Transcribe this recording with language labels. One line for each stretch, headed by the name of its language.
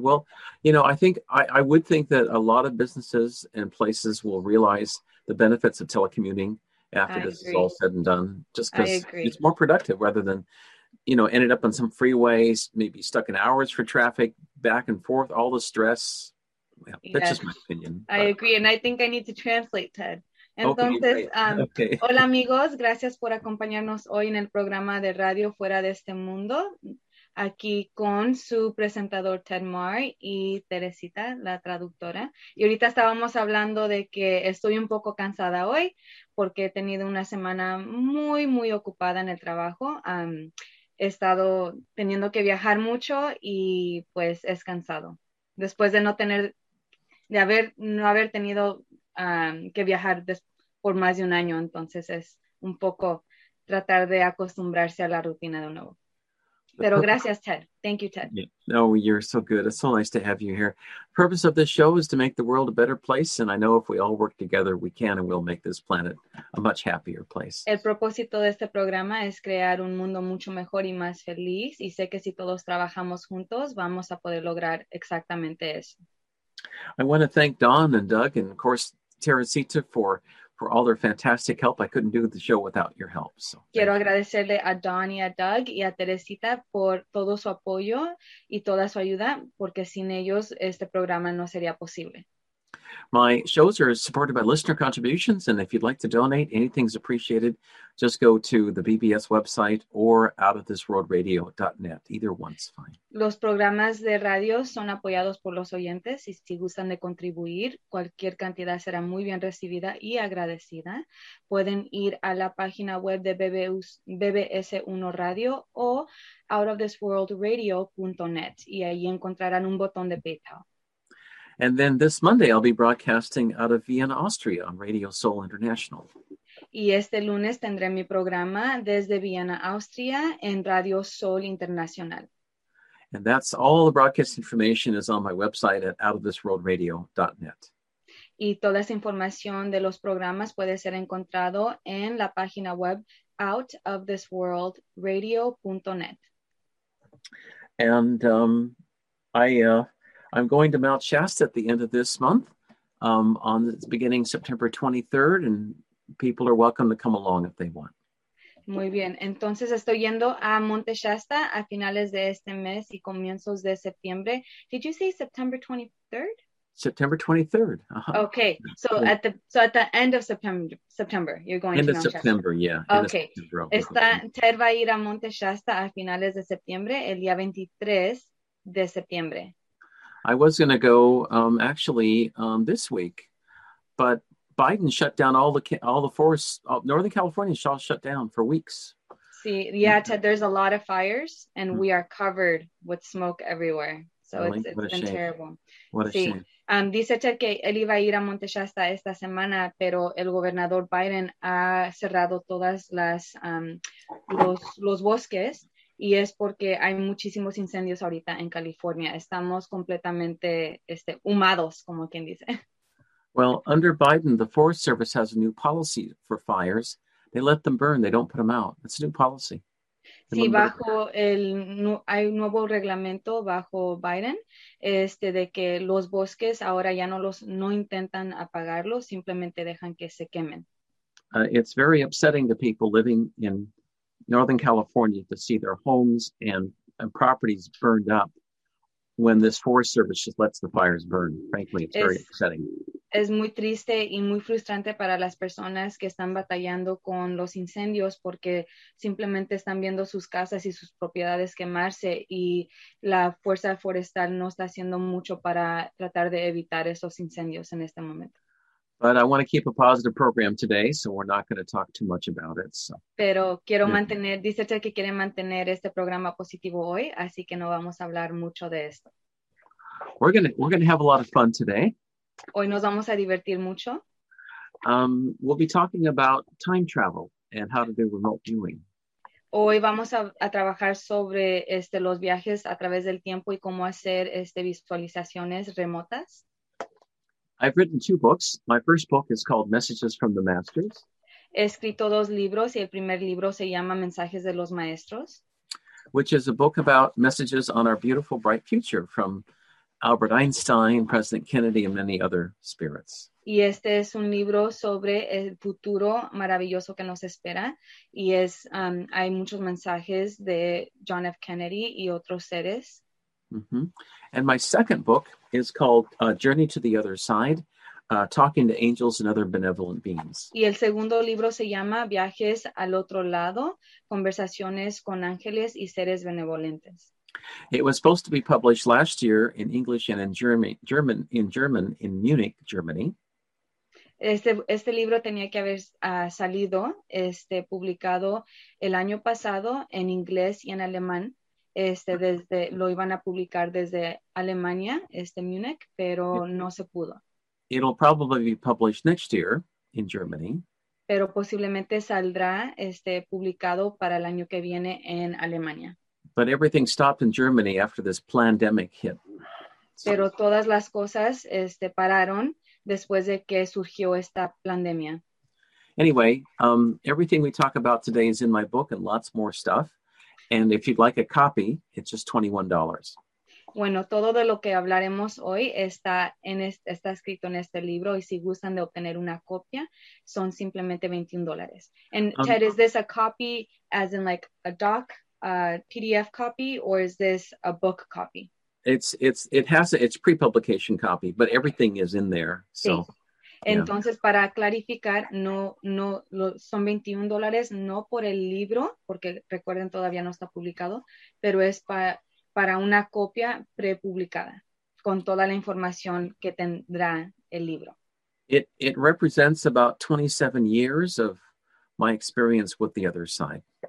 English: Well, you know, I think I would think that a lot of businesses and places will realize the benefits of telecommuting after this is all said and done, just because it's more productive rather than, you know, ended up on some freeways, maybe stuck in hours for traffic back and forth, all the stress. Well, yeah, that's just my opinion. I agree. And I think I need to translate, Ted.
Spanish: Entonces, hola amigos, gracias por acompañarnos hoy en el programa de radio Fuera de Este Mundo. Aquí con su presentador Ted Marr y Teresita, la traductora. Y ahorita estábamos hablando de que estoy un poco cansada hoy porque he tenido una semana muy, muy ocupada en el trabajo. He estado teniendo que viajar mucho y pues es cansado. Después de no haber tenido que viajar por más de un año, entonces es un poco tratar de acostumbrarse a la rutina de nuevo. Pero gracias, Ted.
English: Thank you, Ted. Yeah. No, you're so good. It's so nice to have you here. The purpose of this show is to make the world a better place, and I know if we all work together, we can and will make this planet a much happier place.
Spanish: El propósito de este programa es crear un mundo mucho mejor y más feliz, y sé que si todos trabajamos juntos, vamos a poder lograr exactamente eso.
English: I want to thank Don and Doug and, of course, Teresita for all their fantastic help. I couldn't do the show without your help. So,
Spanish: quiero agradecerle a Don y a Doug y a Teresita por todo su apoyo y toda su ayuda, porque sin ellos este programa no sería posible.
English: My shows are supported by listener contributions, and if you'd like to donate, anything's appreciated. Just go to the BBS website or outofthisworldradio.net. Either one's fine.
Spanish: Los programas de radio son apoyados por los oyentes, y si gustan de contribuir, cualquier cantidad será muy bien recibida y agradecida. Pueden ir a la página web de BBS1 Radio o outofthisworldradio.net, y ahí encontrarán un botón de PayPal.
English: And then this Monday, I'll be broadcasting out of Vienna, Austria on Radio Soul International.
Spanish: Y este lunes tendré mi programa desde Vienna, Austria en Radio Soul Internacional.
English: And that's all the broadcast information is on my website at outofthisworldradio.net.
Spanish: Y toda esa información de los programas puede ser encontrado en la página web outofthisworldradio.net.
English: And I'm going to Mount Shasta at the end of this month, on the beginning September 23rd, and people are welcome to come along if they want.
Spanish: Muy bien. Entonces estoy yendo a Monte Shasta a finales de este mes y comienzos de septiembre.
English: Did you say September 23rd? September 23rd. Uh-huh. Okay. So at the end of September, you're going end to Mount September, Shasta. Yeah. Okay.
Spanish: Ted va a ir a Monte Shasta a finales de septiembre, el día 23 de septiembre.
English: I was going to go this week, but Biden shut down all the forests. Northern California is all shut down for weeks. See, yeah, Ted, there's a lot of fires and we are covered with smoke everywhere. So it's been terrible. What a shame.
Spanish: Dice Ted que él iba a ir a Monte Shasta esta semana, pero el gobernador Biden ha cerrado todas las los bosques. Y es porque hay muchísimos incendios ahorita en California. Estamos completamente humados, como quien dice.
English: Well, under Biden, the Forest Service has a new policy for fires. They let them burn. They don't put them out. It's a new policy.
Spanish: Sí, bajo hay un nuevo reglamento bajo Biden, de que los bosques ahora ya no intentan apagarlos, simplemente dejan que se quemen.
English: It's very upsetting to people living in Northern California to see their homes and properties burned up when this Forest Service just lets the fires burn. Frankly, it's very upsetting.
Spanish: Es muy triste y muy frustrante para las personas que están batallando con los incendios porque simplemente están viendo sus casas y sus propiedades quemarse y la fuerza forestal no está haciendo mucho para tratar de evitar esos incendios en este momento.
English: But I want to keep a positive program today, so we're not going to talk too much about it. So.
Spanish: Pero quiero mantener, dice usted que quiere mantener este programa positivo hoy, así que no vamos a hablar mucho de esto.
English: We're going to have a lot of fun today.
Spanish: Hoy nos vamos a divertir mucho.
English: We'll be talking about time travel and how to do remote viewing.
Spanish: Hoy vamos a trabajar sobre los viajes a través del tiempo y cómo hacer visualizaciones remotas.
English: I've written two books. My first book is called Messages from the Masters.
Spanish: He escrito dos libros y el primer libro se llama Mensajes de los Maestros.
English: Which is a book about messages on our beautiful, bright future from Albert Einstein, President Kennedy, and many other spirits.
Spanish: Y este es un libro sobre el futuro maravilloso que nos espera. Y es, hay muchos mensajes de John F. Kennedy y otros seres. Mm-hmm.
English: And my second book is called Journey to the Other Side, Talking to Angels and Other Benevolent Beings.
Spanish: Y el segundo libro se llama Viajes al Otro Lado, Conversaciones con Ángeles y Seres Benevolentes.
English: It was supposed to be published last year in English and in German in Munich, Germany.
Spanish: Este libro tenía que haber salido publicado el año pasado en inglés y en alemán. Desde lo iban a publicar desde Alemania, Munich, pero no se pudo.
English: It'll probably be published next year in Germany.
Spanish: Pero posiblemente saldrá publicado para el año que viene en Alemania.
English: But everything stopped in Germany after this pandemic hit.
Spanish: Pero todas las cosas pararon después de que surgió esta pandemia.
English: Anyway, everything we talk about today is in my book and lots more stuff. And if you'd like a copy, it's just $21.
Spanish: Bueno, todo de lo que hablaremos hoy está escrito en este libro. Y si gustan de obtener una copia, son simplemente $21.
English: And Ted, is this a copy as in like a doc, a PDF copy, or is this a book copy? It's pre-publication copy, but everything is in there. So. Sí.
Spanish: Entonces, yeah. Para clarificar, no son $21, no por el libro, porque recuerden, todavía no está publicado, pero es para una copia prepublicada con toda la información que tendrá el libro.
English: It represents about 27 years of my experience with the other side.